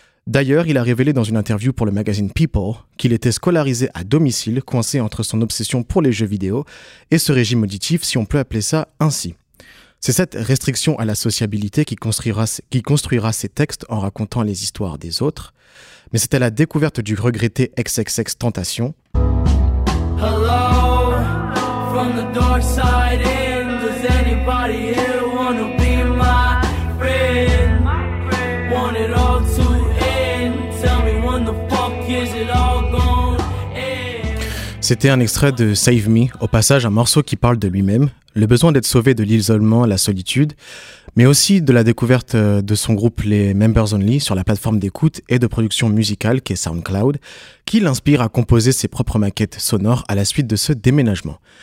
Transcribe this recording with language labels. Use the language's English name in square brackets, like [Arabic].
[French] D'ailleurs, il a révélé dans une interview pour le magazine People qu'il était scolarisé à domicile, coincé entre son obsession pour les jeux vidéo et ce régime auditif, si on peut appeler ça ainsi. C'est cette restriction à la sociabilité qui construira ses textes en racontant les histoires des autres. Mais c'est à la découverte du regretté XXX Tentation. [English] Hello, from the dark side in, does anybody here wanna be my friend? Want it all to end, tell me when the fuck is it all gonna end? [French] C'était un extrait de Save Me, au passage un morceau qui parle de lui-même. Le besoin d'être sauvé de l'isolement, la solitude, mais aussi de la découverte de son groupe les Members Only sur la plateforme d'écoute et de production musicale qu'est SoundCloud, qui l'inspire à composer ses propres maquettes sonores à la suite de ce déménagement.